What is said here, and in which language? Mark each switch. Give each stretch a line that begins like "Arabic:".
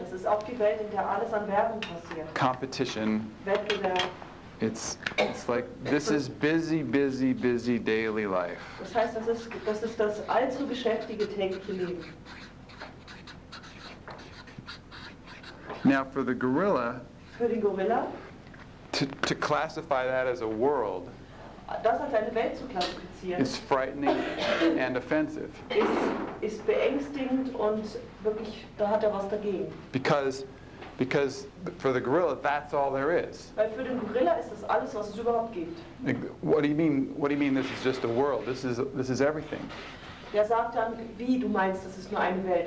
German: Das ist auch die Welt, in der alles an Werbung passiert.
English: Competition.
German: Wettbewerb.
English: It's like this is busy, busy, busy daily life.
German: Das heißt, das ist das allzu beschäftige tägliche Leben.
English: Now for the gorilla.
German: Für den Gorilla.
English: To classify that as a world.
German: Das als eine Welt zu klassifizieren.
English: Is frightening and offensive.
German: Ist beängstigend und wirklich, da hat was dagegen.
English: Because for the gorilla, that's all there is.
German: Weil für den Gorilla ist das alles, was es überhaupt gibt.
English: What do you mean this is just a world? This is everything.
German: Er sagt dann, wie du meinst, das ist nur eine Welt.